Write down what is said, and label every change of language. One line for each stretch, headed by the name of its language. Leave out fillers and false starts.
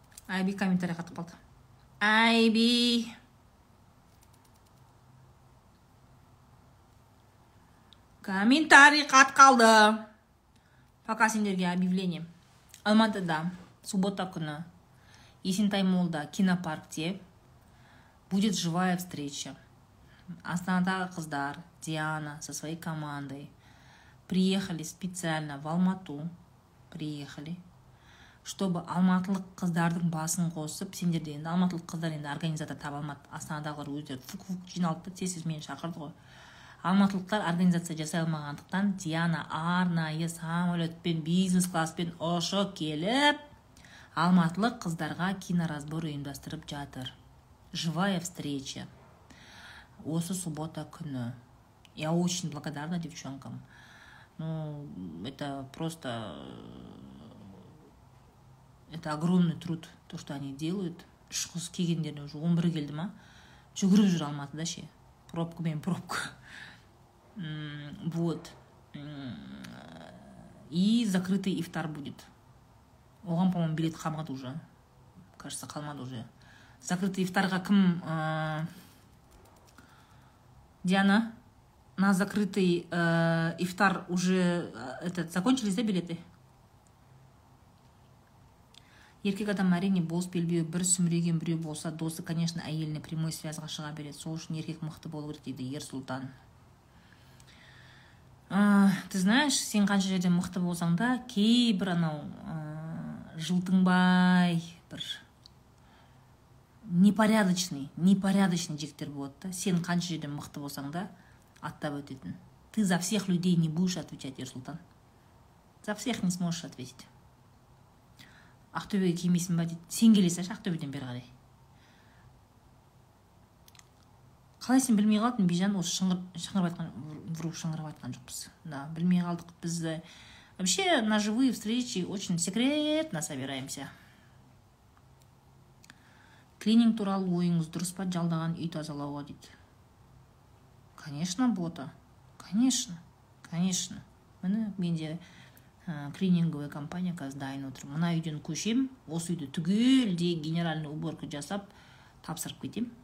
Kazakh: Айби комментарий қатып қалды. Айби. Комментарий қатып қалды. Пока сендерге объявление. Алматыда суббота күні Есентай Молда кинопаркте
Russian: будет живая встреча.
Kazakh: Астанадағы қыздар
Russian: Диана со своей командой приехали специально в Алмату. Приехали.
Kazakh: Чтобы алматылық қыздардың басын қосып, сендерде енді алматылық қыздар енді организатор таба алмады. Астанадағылар өздері фук-фук жиналды, тез-тез мені шақырды ғой. Алматылықтар организация жасай алмағандықтан Диана арнайы самолетпен, бизнес-класспен ұшып келіп, алматылық қыздарға киноразбор ұйымдастырып жатыр.
Russian: Живая встреча.
Kazakh: Осы суббота күні.
Russian: Я очень благодарна девчонкам. Ну, это просто это огромный труд, то, что они делают.
Kazakh: Үш қыз кегендеріне жоқ, 11 келді ма? Жүгіріп жүр Алматыда ше.
Russian: Пробку мен пробку. Вот. И закрытый ифтар будет. Оған, по-моему,
Kazakh: билет қалмады
Russian: уже. Кажется, қалмады уже.
Kazakh: Закрытый ифтарға кім?
Russian: Диана, на закрытый ифтар уже этот закончились, да, билеты?
Kazakh: Еркек адам әрине бос белбеу бір сүміреген біреу болса, досы, конечно, әйеліне прямой связға шыға береді. Сол үшін еркек мұқты болу керек, дейді Ерсултан.
Russian: Ты знаешь,
Kazakh: сен қанша жерде мұқты болсаң да, кейбір анау жылтыңбай бір непорядочный, непорядочный жігіттер болады да. Сен қанша жерде мұқты болсаң да, аттап өтетін.
Russian: Ты за всех людей не будешь отвечать, Ерсултан. За всех не сможешь ответить.
Kazakh: Ақтөбеге келмейсің ба дейді. Сен келесің Ақтөбеден бері қарай. Қалай сен білмей қалдың, Бижан, осы шыңғырып айтқан жоқпыз. Да, білмей қалдық бізді.
Russian: Вообще, на живые встречи очень секретно собираемся.
Kazakh: Клининг туралы ойыңыз дұрыс па, жалдаған үй тазалауға дейді.
Russian: Конечно, бота. Конечно. Конечно.
Kazakh: Міне, менде клининговая компания қазір дайын отыр. Мына үйден көшем, осы үйді түгелдей генеральный уборка жасап тапсырып кетем.